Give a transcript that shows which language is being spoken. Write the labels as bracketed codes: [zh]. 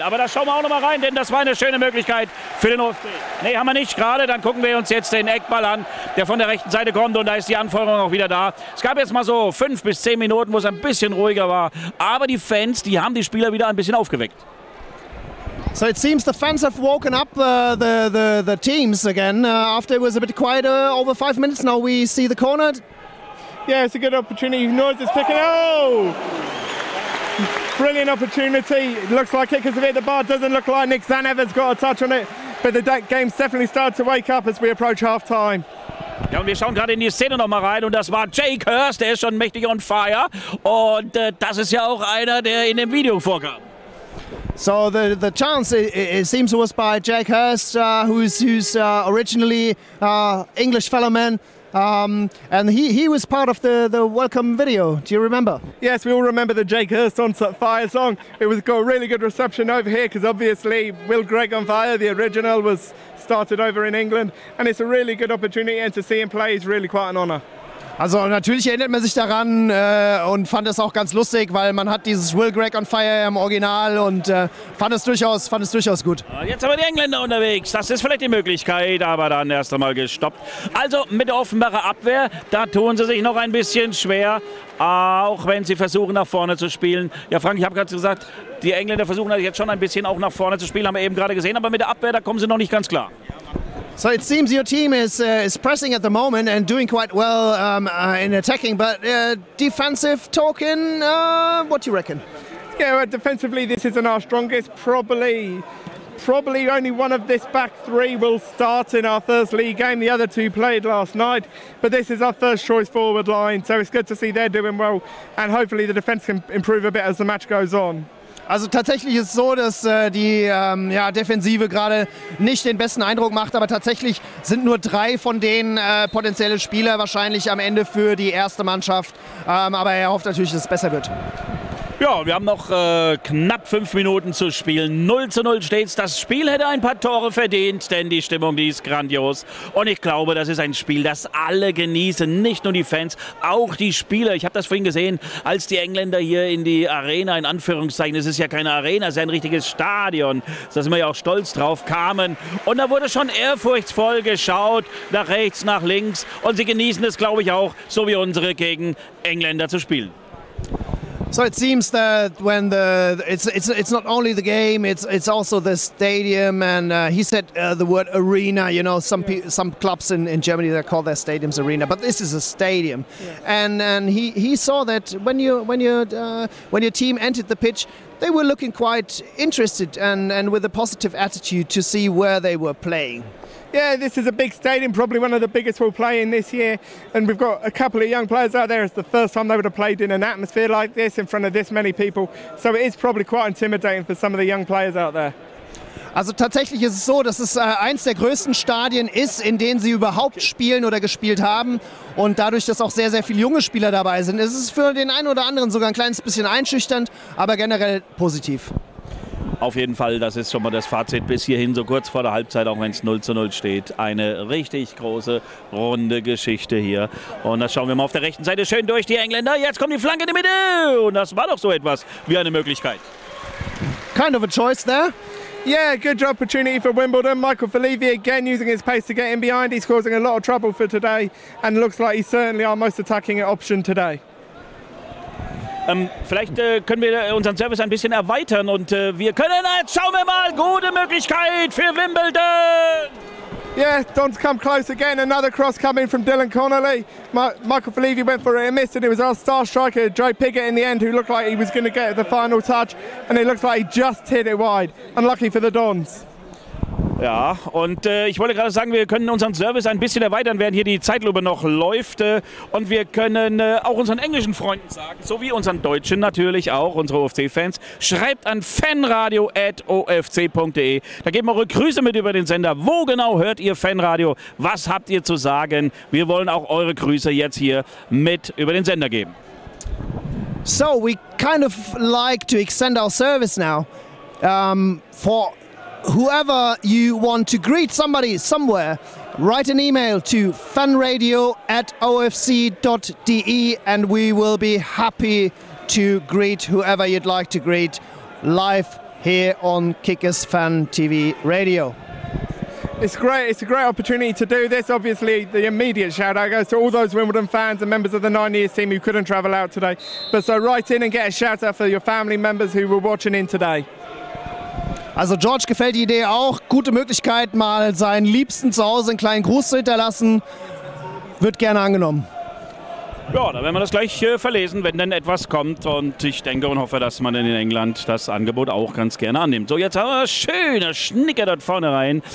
[de] Aber da schauen wir auch nochmal rein, denn das war eine schöne Möglichkeit für den OFB. Nee, haben wir nicht gerade. Dann gucken wir uns jetzt den Eckball an, der von der rechten Seite kommt. Und da ist die Anforderung auch wieder da. Es gab jetzt mal so 5 bis 10 Minuten, wo es ein bisschen ruhiger war. Aber die Fans, die haben die Spieler wieder ein bisschen aufgeweckt. [en] So it seems the fans have woken up the teams again after it was a bit quieter over 5 minutes. Now we see the corner. Yeah, it's a good opportunity. Noise is picking up. Brilliant opportunity. Looks like it because of it. The bar doesn't look like Nick Zanever's got a touch on it. But the game's definitely started to wake up as we approach halftime. [de] Ja, und wir schauen gerade in die Szene nochmal rein und das war Jake Hurst. Der ist schon mächtig [en] on fire. [de] Und das ist ja auch einer, der in dem Video vorkam. [en] So the chance it seems was by Jack Hurst, who's originally English fellow man, and he was part of the welcome video. Do you remember? Yes, we all remember the Jake Hurst on Set Fire song. It was got a really good reception over here because obviously Will Gregg on Fire, the original, was started over in England, and it's a really good opportunity, and to see him play is really quite an honour. [de] Also natürlich erinnert man sich daran und fand es auch ganz lustig, weil man hat dieses Will Gregg on Fire im Original und fand es durchaus gut. Jetzt aber die Engländer unterwegs, das ist vielleicht die Möglichkeit, aber dann erst einmal gestoppt. Also mit der Offenbacher Abwehr, da tun sie sich noch ein bisschen schwer, auch wenn sie versuchen nach vorne zu spielen. Ja Frank, ich habe gerade gesagt, die Engländer versuchen jetzt schon ein bisschen auch nach vorne zu spielen, haben wir eben gerade gesehen, aber mit der Abwehr, da kommen sie noch nicht ganz klar. [en] So it seems your team is pressing at the moment and doing quite well in attacking, but defensive talking, what do you reckon? Yeah, well, defensively this isn't our strongest. Probably only one of this back three will start in our first league game. The other two played last night, but this is our first choice forward line, so it's good to see they're doing well and hopefully the defence can improve a bit as the match goes on. [de] Also tatsächlich ist es so, dass die Defensive gerade nicht den besten Eindruck macht, aber tatsächlich sind nur 3 von denen potenzielle Spieler wahrscheinlich am Ende für die erste Mannschaft. Aber er hofft natürlich, dass es besser wird. Ja, wir haben noch knapp 5 Minuten zu spielen. 0:0 steht's. Das Spiel hätte ein paar Tore verdient, denn die Stimmung, die ist grandios. Und ich glaube, das ist ein Spiel, das alle genießen. Nicht nur die Fans, auch die Spieler. Ich habe das vorhin gesehen, als die Engländer hier in die Arena, in Anführungszeichen, es ist ja keine Arena, es ist ein richtiges Stadion, da sind wir ja auch stolz drauf, kamen. Und da wurde schon ehrfurchtsvoll geschaut, nach rechts, nach links. Und sie genießen es, glaube ich, auch, so wie unsere gegen Engländer zu spielen. [en] So it seems that when it's not only the game, it's also the stadium, and he said the word arena. You know, some clubs in Germany that call their stadiums arena, but this is a stadium. Yes. And he saw that when your team entered the pitch, they were looking quite interested and with a positive attitude to see where they were playing. Yeah, this is a big stadium, probably one of the biggest we'll play in this year. And we've got a couple of young players out there. It's the first time they would have played in an atmosphere like this in front of this many people. So it is probably quite intimidating for some of the young players out there. [de] Also tatsächlich ist es so, dass es eins der größten Stadien ist, in denen sie überhaupt spielen oder gespielt haben. Und dadurch, dass auch sehr, sehr viele junge Spieler dabei sind, ist es für den einen oder anderen sogar ein kleines bisschen einschüchternd, aber generell positiv. Auf jeden Fall, das ist schon mal das Fazit bis hierhin, so kurz vor der Halbzeit, auch wenn es 0:0 steht. Eine richtig große, runde Geschichte hier. Und das schauen wir mal auf der rechten Seite schön durch, die Engländer. Jetzt kommt die Flanke in die Mitte. Und das war doch so etwas wie eine Möglichkeit. [en] Kind of a choice there. Yeah, good opportunity for Wimbledon. Michael Folivi again using his pace to get in behind. He's causing a lot of trouble for today. And looks like he's certainly our most attacking option today. [de] Vielleicht können wir unseren Service ein bisschen erweitern und wir können, jetzt schauen wir mal, gute Möglichkeit für Wimbledon! [en] Yeah, Don's come close again, another cross coming from Dylan Connolly. Michael Folivi went for it and missed, and it was our star striker, Joe Piggott, in the end, who looked like he was going to get the final touch, and it looks like he just hit it wide. Unlucky for the Dons. [de] Ja, und ich wollte gerade sagen, wir können unseren Service ein bisschen erweitern, während hier die Zeitlupe noch läuft. Und wir können auch unseren englischen Freunden sagen, sowie unseren Deutschen natürlich auch, unsere OFC-Fans, schreibt an fanradio@ofc.de. Da geben wir eure Grüße mit über den Sender. Wo genau hört ihr Fanradio? Was habt ihr zu sagen? Wir wollen auch eure Grüße jetzt hier mit über den Sender geben. [en] So, we kind of like to extend our service now for whoever you want to greet somebody somewhere, write an email to funradio@ofc.de and we will be happy to greet whoever you'd like to greet live here on Kickers Fan TV Radio. It's great. It's a great opportunity to do this. Obviously, the immediate shout-out goes to all those Wimbledon fans and members of the 9 years team who couldn't travel out today. But so write in and get a shout-out for your family members who were watching in today. [de] Also George, gefällt die Idee auch. Gute Möglichkeit, mal seinen Liebsten zu Hause einen kleinen Gruß zu hinterlassen. Wird gerne angenommen. Ja, da werden wir das gleich verlesen, wenn dann etwas kommt. Und ich denke und hoffe, dass man in England das Angebot auch ganz gerne annimmt. So, jetzt haben wir schöne Schnicker dort vorne rein.